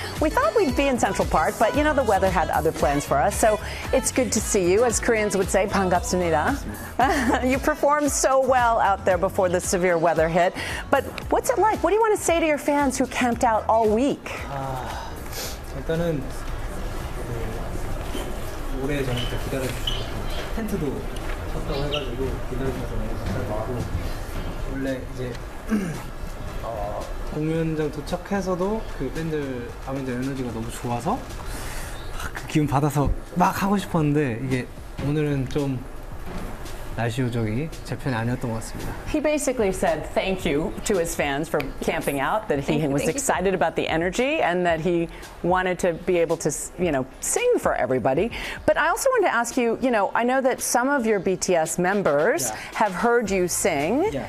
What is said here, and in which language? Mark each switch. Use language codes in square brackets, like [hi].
[en] We thought we'd be in Central Park, but you know, the weather had other plans for us. So it's good to see you. As Koreans would say, [ko] 반갑습니다. [en] You performed so well out there before the severe weather hit. But what's it like? What do you want to say to your fans who camped out all week? [ko] 일단은 올해 전부터 기다려주셔서 텐트도 쳤다고 해가지고 기다려주셔서 너무 감사하고 원래 이제 공연장 도착해서도 그 밴드들 에너지가 너무 좋아서 그 기운 받아서 막 하고 싶었는데 이게 오늘은 좀 [en] He basically said thank you to his fans for camping out, that he was excited about the energy and that he wanted to be able to, you know, sing for everybody. But I also wanted to ask you, you know, I know that some of your BTS members have heard you sing.